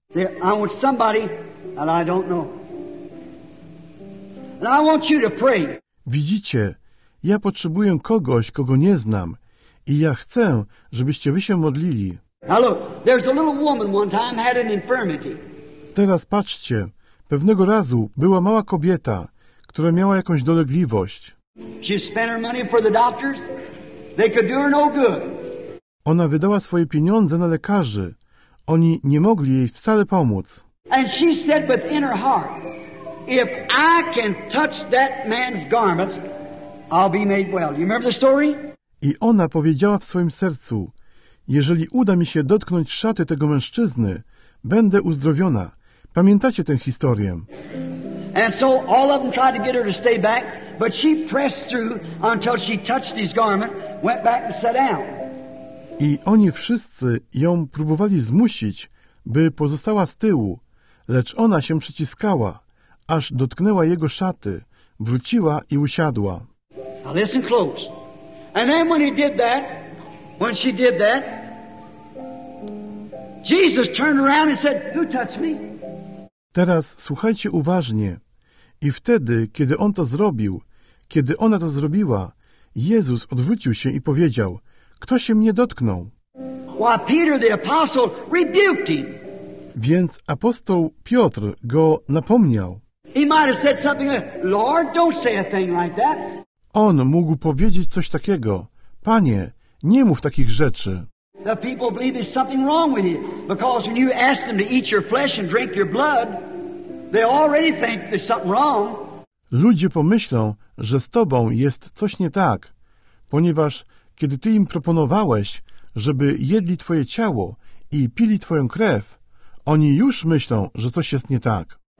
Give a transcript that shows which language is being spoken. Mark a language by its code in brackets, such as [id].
[en] I want somebody that I don't know. And I want you to pray. [pl] Widzicie, ja potrzebuję kogoś, kogo nie znam, i ja chcę, żebyście wy się modlili. [en] Now look, there's a little woman one time had an infirmity. [pl] Teraz patrzcie, pewnego razu była mała kobieta, która miała jakąś dolegliwość. [en] She spent her money for the doctors. They could do her no good. [pl] Ona wydała swoje pieniądze na lekarzy. Oni nie mogli jej wcale pomóc. [en] And she said within her heart, if I can touch that man's garments, I'll be made well. You remember the story? [pl] I ona powiedziała w swoim sercu, jeżeli uda mi się dotknąć szaty tego mężczyzny, będę uzdrowiona. Pamiętacie tę historię? [en] And so all of them tried to get her to stay back, but she pressed through until she touched his garment, went back and sat down. [pl] I oni wszyscy ją próbowali zmusić, by pozostała z tyłu, lecz ona się przyciskała, aż dotknęła jego szaty, wróciła i usiadła. [en] Now listen close. And then when he did that, when she did that, Jesus turned around and said, "Who touched me?" [pl] Teraz słuchajcie uważnie. I wtedy, kiedy on to zrobił, kiedy ona to zrobiła, Jezus odwrócił się i powiedział, kto się mnie dotknął? [en] Why, Peter, the apostle, rebuked him. [pl] Więc apostoł Piotr go napomniał. [en] He might have said something like, Lord, don't say a thing like that. [pl] On mógł powiedzieć coś takiego, Panie, nie mów takich rzeczy. [en] The people believe there's something wrong with you, because when you ask them to eat your flesh and drink your blood, they already think there's something wrong. [pl] Ludzie pomyślą, że z tobą jest coś nie tak, ponieważ kiedy Ty im proponowałeś, żeby jedli Twoje ciało i pili Twoją krew, oni już myślą, że coś jest nie tak.